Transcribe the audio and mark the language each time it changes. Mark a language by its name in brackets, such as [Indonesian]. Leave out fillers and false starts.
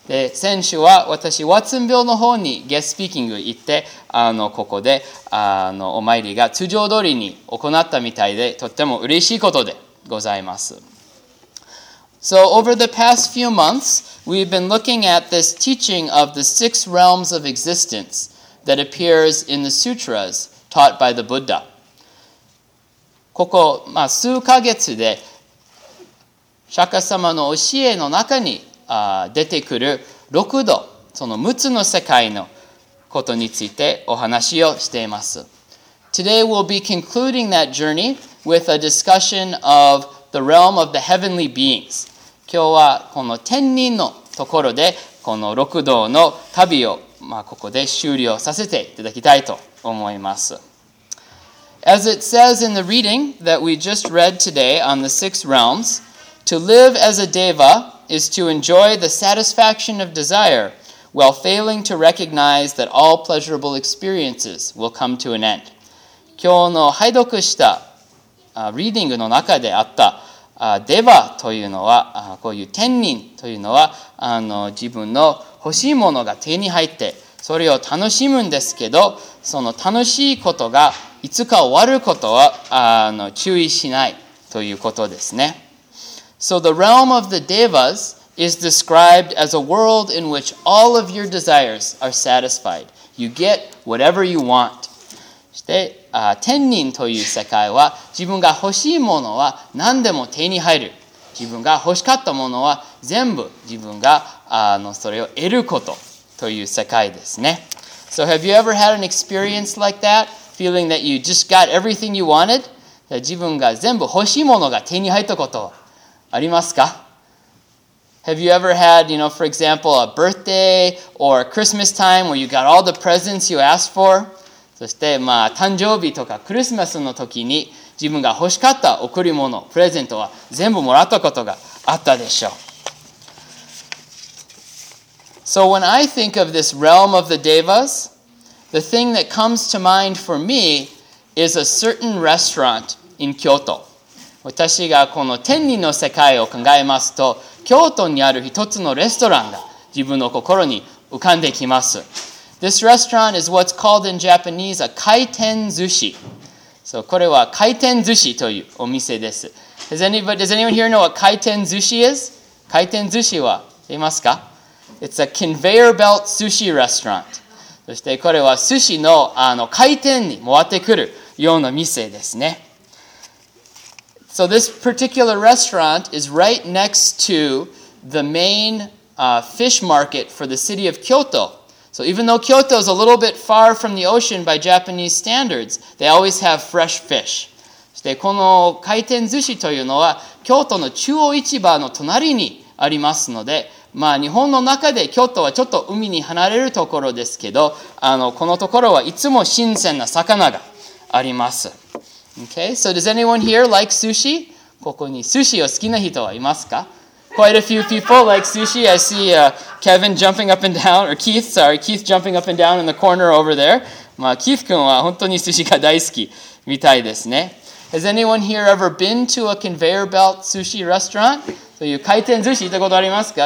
[Japanese] で、先週は私、ワッツンビルの方にゲストスピーキング行ってここでお参りが通常通りに行ったみたいでとっても嬉しいことでございます。 [English] So over the past few months, we've been looking at this teaching of the six realms of existence that appears in the sutras taught by the Buddha. [Japanese] ここ、数ヶ月で、釈迦様の教えの中に出てくる六度、その六つの世界のことについてお話をしています。 [English] Today we'll be concluding that journey with a discussion of the realm of the heavenly beings. [Japanese] 今日はこの天人のところでこの六道の旅をここで終了させていただきたいと思います。 [English] As it says in the reading that we just read today on the six realms, to live as a deva is to enjoy the satisfaction of desire while failing to recognize that all pleasurable experiences will come to an end. [Japanese] 今日の拝読したリーディングの中であったデバというのは、こういう天人というのは、自分の欲しいものが手に入って、それを楽しむんですけど、その楽しいことがいつか終わることは、注意しないということですね。 [English] So the realm of the devas is described as a world in which all of your desires are satisfied. You get whatever you want. [Japanese] で、天人という世界は自分が欲しいものは何でも手に入る。自分が欲しかったものは全部自分がそれを得ることという世界ですね。 [English] So have you ever had an experience like that? Feeling that you just got everything you wanted? [Japanese] 自分が全部欲しいものが手に入ったことありますか? [English] Have you ever had, you know, for example, a birthday or Christmas time where you got all the presents you asked for? [Japanese] そして、誕生日とかクリスマスの時に自分が欲しかった贈り物、プレゼントは全部もらったことがあったでしょう。 [English] So when I think of this realm of the devas, the thing that comes to mind for me is a certain restaurant in Kyoto. [Japanese] 私がこの天人の世界を考えますと、京都にある一つのレストランが自分の心に浮かんできます。 [English] This restaurant is what's called in Japanese a kaiten sushi. [Japanese] So, これは回転寿司というお店です。 [English] Does anyone here know what kaiten sushi is? [Japanese] 回転寿司は、いますか? [English] It's a conveyor belt sushi restaurant. [Japanese] そしてこれは寿司の、回転に回ってくるような店ですね。 [English] So, this particular restaurant is right next to the main fish market for the city of Kyoto. So even though Kyoto is a little bit far from the ocean by Japanese standards, they always have fresh fish. [Japanese] そしてこの回転寿司というのは京都の中央市場の隣にありますので、まあ日本の中で京都はちょっと海に離れるところですけど、このところはいつも新鮮な魚があります。 [English] Okay, so does anyone here like sushi? [Japanese] ここに寿司を好きな人はいますか? [English] Quite a few people like sushi. I see Kevin jumping up and down, or Keith, sorry, Keith jumping up and down in the corner over there. [Japanese] まあ、キーフ君は本当に寿司が大好きみたいですね。 [English] Has anyone here ever been to a conveyor belt sushi restaurant? [Japanese] という回転寿司行ったことありますか?